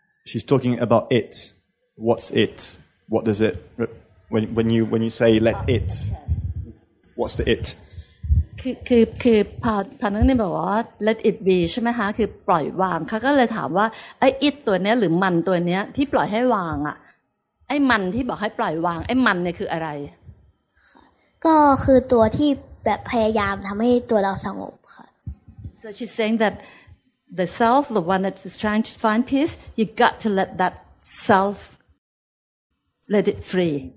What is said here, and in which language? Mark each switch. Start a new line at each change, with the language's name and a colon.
English: She's talking about it. What's it? What does it? When you say let it, what's the it?
Thai: คือพานักเนี่ยบอกว่า
English: let it be
Thai: ใช่ไหมคะคือปล่อยวางเขาก็เลยถามว่าไอ้ it ตัวเนี้ยหรือมันตัวเนี้ยที่ปล่อยให้วางอ่ะไอ้มันที่บอกให้ปล่อยวางไอ้มันเนี่ยคืออะไร ก็คือตัวที่แบบพยายามทำให้ตัวเราสงบค่ะ
English: So she's saying that the self, the one that is trying to find peace, you got to let that self let it free.